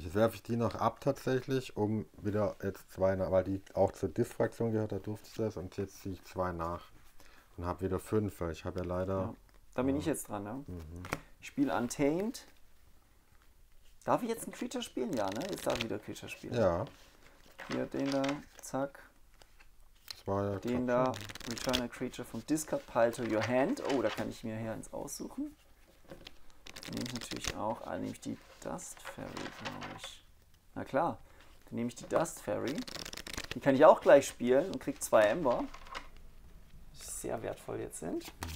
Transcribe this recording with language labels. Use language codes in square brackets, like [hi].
[de] Jetzt werfe ich die noch ab tatsächlich, um wieder jetzt zwei nach, weil die auch zur Diff-Fraktion gehört, da durfte ich das, und jetzt ziehe ich zwei nach und habe wieder fünf, weil ich habe ja leider... Ja. Da bin ich jetzt dran, ne? Mhm. Ich spiele Untamed. Darf ich jetzt ein Creature spielen? Ja, ne? Jetzt darf ich wieder Creature spielen. Ja. Hier, den da, zack. Zwei, den da, schon. [en] Return a Creature from Discard Pile to your hand. [de] Oh, da kann ich mir hier eins aussuchen. Nehme ich natürlich auch, nehme ich die Dust Fairy, glaube ich. Na klar, dann nehme ich die Dust Fairy. Die kann ich auch gleich spielen und kriege zwei Ember. Die sehr wertvoll jetzt sind.